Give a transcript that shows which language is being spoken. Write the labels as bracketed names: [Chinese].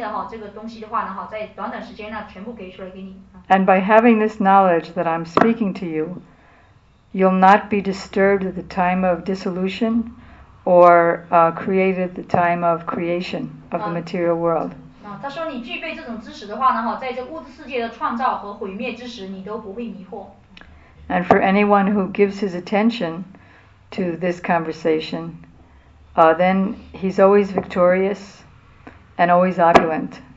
[Chinese] 那么呢，在后面哈，在稍后的话呢，Krishna也在阿朱兰哈提到了，他说呢，无论是物质的还是灵性的哈，我将呢，把呢这个核心的哈这个东西的话呢哈，在短短时间呢全部给出来给你。 [English] And by having this knowledge that I'm speaking to you, you'll not be disturbed at the time of dissolution. Or created the time of creation of the material world. [Chinese] 他说你具备这种知识的话呢，在这物质世界的创造和毁灭之时，你都不会迷惑。 [English] And for anyone who gives his attention to this conversation, then he's always victorious and always opulent.